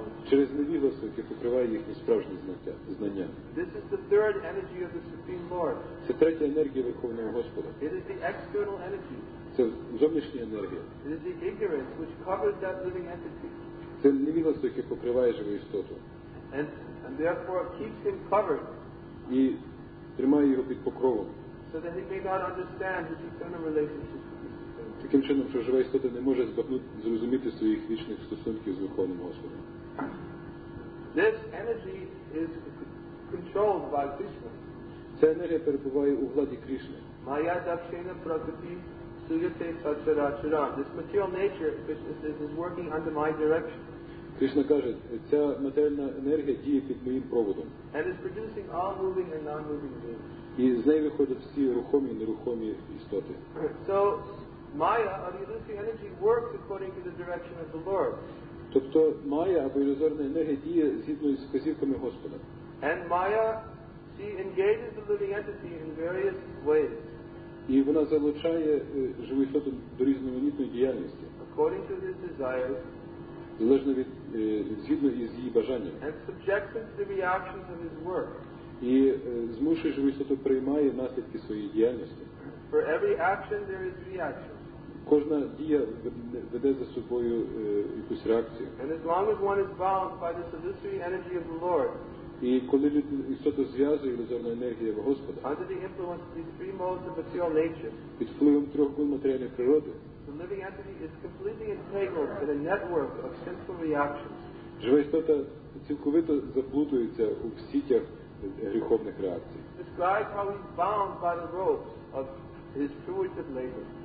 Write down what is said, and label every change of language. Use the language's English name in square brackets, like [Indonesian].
[Ukrainian] Через невігластво, яке покриває їхні справжні знання. [English] This is the third energy of the Supreme Lord. [Ukrainian] Це третя енергія Верховного Господа. [English] It is the external energy. [Ukrainian] Це зовнішня енергія. [English] It is the ignorance which covers that living entity. [Ukrainian] Це невігластво, яке покриває живу істоту. [English] And therefore keeps him covered. [Ukrainian] І тримає його під покровом. [English] So that he may not understand his eternal relationship with the Supreme. [Ukrainian] Таким чином, що жива істота не може зрозуміти своїх вічних стосунків з Верховним Господом. [English] This energy is controlled by Krishna. [Ukrainian] Ця енергія перебуває у владі Кришни. Майя дакшена пракрити суйате сачарачара. [English] This material nature, Krishna says, is working under my direction. [Ukrainian] Кришна каже, ця матеріальна енергія діє під моїм проводом. [English] And is producing all moving and non-moving beings. [Ukrainian] І з неї виходять всі рухомі і нерухомі істоти. [English] So Maya or the illusory energy works according to the direction of the Lord. [Ukrainian] Тобто Maya або ілюзорна енергія діє згідно з вказівками Господа. [English] And Maya, she engages the living entity in various ways. [Ukrainian] І вона залучає живу істоту до різноманітної діяльності. [English] According to his desires. [Ukrainian] Залежно від згідно із її бажанням. [English] And subjects him to the reactions of his work. [Ukrainian] І змушує живу істоту приймає наслідки своєї діяльності. [English] For every action there is reaction. [Ukrainian] Кожна дія веде за собою якусь реакцію. [English] And as long as one is bound by the illusory energy of the Lord. [Ukrainian] І коли істоту зв'язує ілюзорна енергія Господа. [English] Under the influence of these three modes of material nature. [Ukrainian] Під впливом трьох мод матеріальної природи. [English] The living entity is completely entangled in a network of sinful reactions. [Ukrainian] Жива істота цілковито заплутується у сітях гріховних реакцій. [English] Describe how he's bound by the ropes of his fruitive labor.